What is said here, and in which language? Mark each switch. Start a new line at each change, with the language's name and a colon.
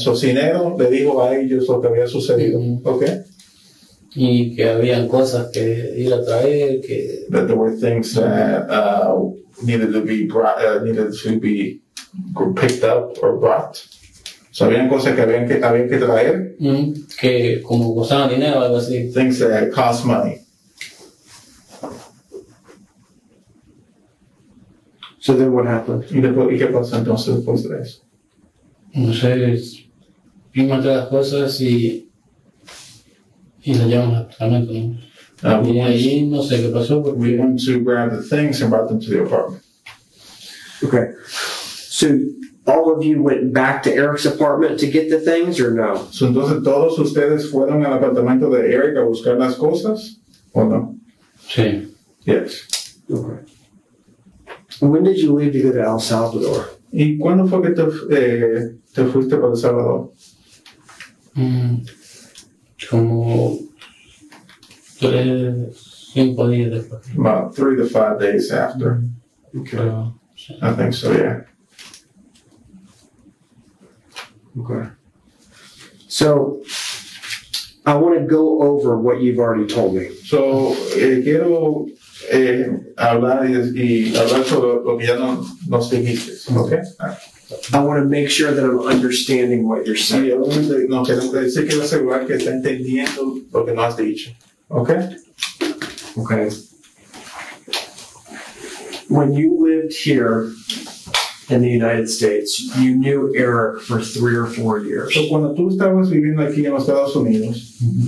Spanish: So Cinero le dijo a ellos lo que había sucedido. Mm-hmm. Okay. Y que habían cosas que ir a traer, que...
English: That there were things that needed to be picked up or brought.
Spanish: So habían cosas que habían que traer. Mm-hmm. Que como costaban dinero, algo así.
English: Things that cost money. So then what happened?
Spanish: ¿Y qué pasó entonces después de eso? No sé, vimos todas las cosas y las llevamos al apartamento. Y ahí no sé qué pasó.
English: We went to grab the things and brought them to the apartment. Okay. So all of you went back to Eric's apartment to get the things or no?
Spanish: So entonces todos ustedes fueron al apartamento de Eric a buscar las cosas o no? Sí.
English: Yes. Okay. When did you leave to go to El Salvador?
Spanish: ¿Y cuándo fue que te fuiste para El Salvador? Como
English: 3-5 days
Spanish: después.
English: About 3 to 5 days after. Okay. I think so, yeah. Okay. So, I want to go over what you've already told me.
Spanish: So, quiero hablar sobre lo que ya nos dijiste.
English: Okay. I want to make sure that I'm understanding what you're saying.
Spanish: No, quiero asegurar que está entendiendo lo que nos has dicho.
English: Okay. Okay. When you lived here in the United States, you knew Eric for 3 or 4 years.
Spanish: So cuando tú estabas viviendo aquí en los Estados Unidos, mm-hmm.